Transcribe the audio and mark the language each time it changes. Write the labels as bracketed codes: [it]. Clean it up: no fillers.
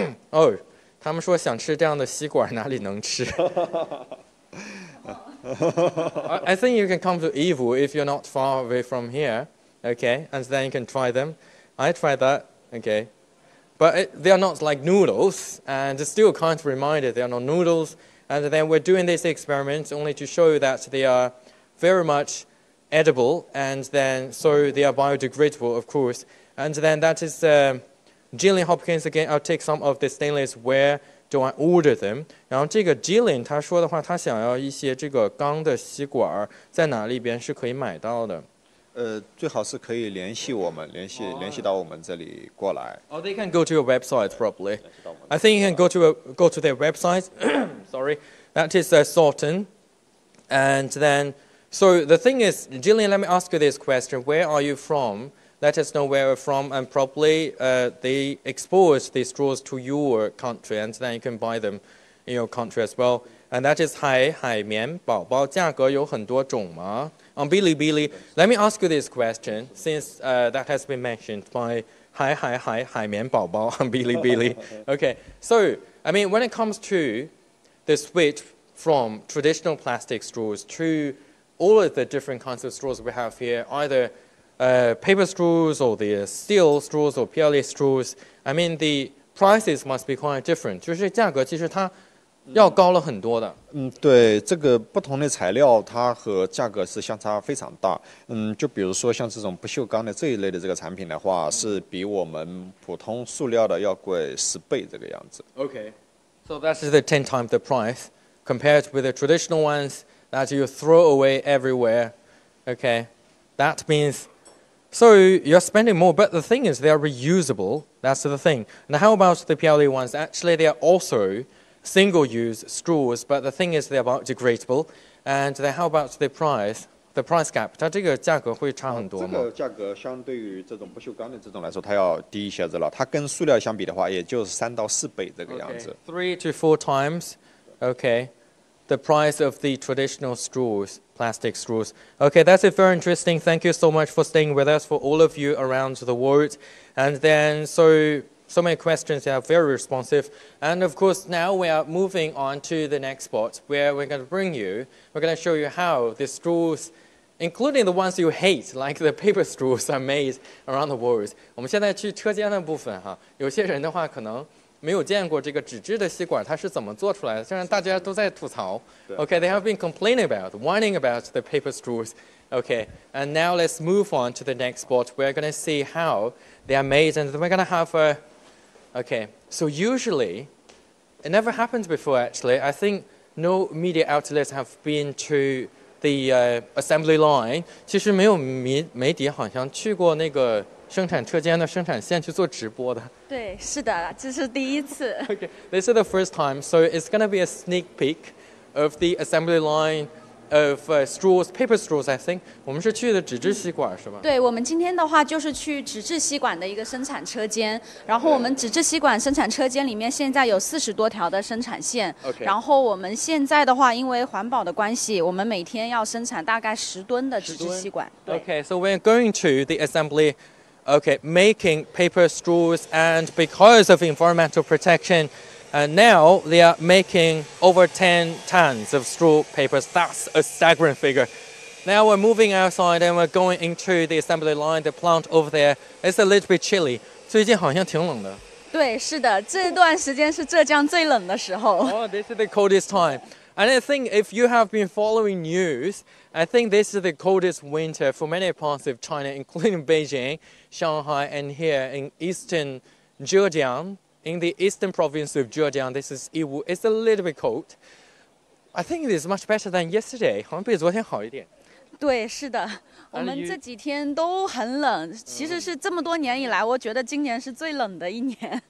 [zh] 哦，他们说想吃这样的吸管，哪里能吃？ [en] I think you can come to Yiwu if you're not far away from here, okay? And then you can try them. I tried that, okay? But they are not like noodles, and still kind of reminded they are not noodles. And then we're doing this experiment only to show you that they are very much edible, and then so they are biodegradable, of course. And then that is Jillian Hopkins again. I'll take some of the stainless ware. Do I order them? [zh] 然后这个 Jillian 他说的话，他想要一些这个钢的吸管，在哪里边是可以买到的？最好是可以联系我们，联系到我们这里过来。 [en] Oh, they can go to your website probably. I think you can go to their website. Sorry, that is Sorten. And then, so the thing is, Jillian, let me ask you this question: Where are you from? Let us know where you're from, and probably they export these straws to your country, and then you can buy them in your country as well. And that is [zh] 海绵宝宝，价格有很多种吗？ [en] On Bilibili, let me ask you this question, since that has been mentioned by 海绵宝宝 on Bilibili. Okay, so, I mean, when it comes to the switch from traditional plastic straws to all of the different kinds of straws we have here, either paper straws or the steel straws or PLA straws, I mean, the prices must be quite different. [zh] 就是价格其实它要高了很多的。对，这个不同的材料它和价格是相差非常大。就比如说像这种不锈钢的这一类的这个产品的话，是比我们普通塑料的要贵10倍这个样子。 [en] Okay, so that's the 10 times the price compared with the traditional ones that you throw away everywhere. Okay, that means, so you're spending more, but the thing is they are reusable, that's the thing. And how about the PLA ones? Actually, they are alsosingle-use straws, but the thing is they're about degradable. And then how about the price? The price gap, [zh] 它这个价格会差很多吗？这个价格相对于这种不锈钢的这种来说，它要低一些子了。它跟塑料相比的话，也就是3到4倍这个样子。 [en] Okay, 3 to 4 times, okay, the price of the traditional straws, plastic straws. Okay, that's it, very interesting. Thank you so much for staying with us, for all of you around the world. And then, So many questions, they are very responsive. And of course, now we are moving on to the next spot where we're going to bring you, we're going to show you how the straws, including the ones you hate, like the paper straws, are made around the world. [zh] 我们现在去车间的部分哈，有些人的话可能没有见过这个纸质的吸管它是怎么做出来的，虽然大家都在吐槽。 [en] Okay, they have been complaining about, whining about the paper straws. Okay, and now let's move on to the next spot. We're going to see how they are made, and we're going to have a, okay, so usually, it never happened before actually, I think no media outlets have been to the assembly line. [zh] 其实没有媒体好像去过那个生产车间的生产线去做直播的。对，是的，这是第一次。 [en] Okay, this is the first time, so it's going to be a sneak peek of the assembly line. Of straws, paper straws, I think. [zh] 我们是去的纸质吸管，是吧？对，我们今天的话就是去纸质吸管的一个生产车间。然后我们纸质吸管生产车间里面现在有40多条的生产线。 [en] Okay. [zh] 然后我们现在的话，因为环保的关系，我们每天要生产大概10吨的纸质吸管。 [en] Okay, so we're going to the assembly, okay, making paper straws, and because of environmental protection. Now they are making over 10 tons of straw papers. That's a staggering figure. Now we're moving outside and we're going into the assembly line, the plant over there. It's a little bit chilly. [zh] 最近好像挺冷的。对，是的，这段时间是浙江最冷的时候。 [en] Oh, this is the coldest time. And I think if you have been following news, I think this is the coldest winter for many parts of China, including Beijing, Shanghai, and here in eastern Zhejiang. In the eastern province of Zhejiang, this is Yiwu. It's a little bit cold. I think it is much better than yesterday. [zh] 好像比昨天好一点。对，是的，我们这几天都很冷。其实是这么多年以来，我觉得今年是最冷的一年。